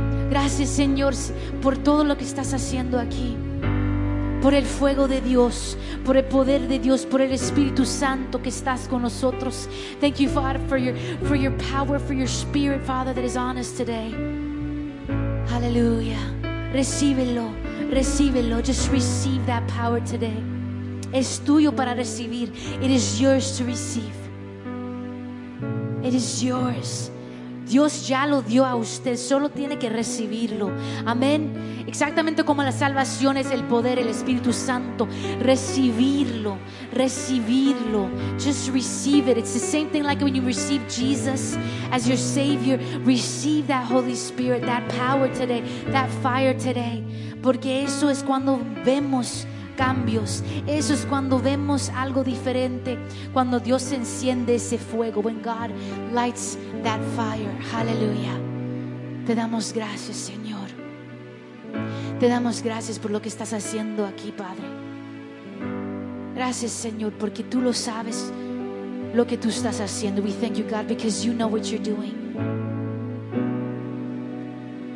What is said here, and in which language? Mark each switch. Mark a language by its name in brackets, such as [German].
[Spanish] Gracias, Señor, por todo lo que estás haciendo aquí. Por el fuego de Dios, por el poder de Dios, por el Espíritu Santo que estás con nosotros. [English] Thank you, Father, for your power, for your spirit, Father, that is on us today. [Spanish] Hallelujah. Recíbelo, recíbelo. [English] Just receive that power today. [Spanish] Es tuyo para recibir. [English] It is yours to receive. It is yours. [Spanish] Dios ya lo dio a usted, solo tiene que recibirlo. Amén. Exactamente como la salvación es el poder, el Espíritu Santo. Recibirlo, recibirlo. [English] Just receive it. It's the same thing like when you receive Jesus as your Savior. Receive that Holy Spirit, that power today, that fire today. [Spanish] Porque eso es cuando vemos cambios. Eso es cuando vemos algo diferente. Cuando Dios enciende ese fuego. [English] When God lights that fire. Hallelujah. [Spanish] Te damos gracias, Señor. Te damos gracias por lo que estás haciendo aquí, Padre. Gracias, Señor, porque tú lo sabes lo que tú estás haciendo. [English] We thank you, God, because you know what you're doing.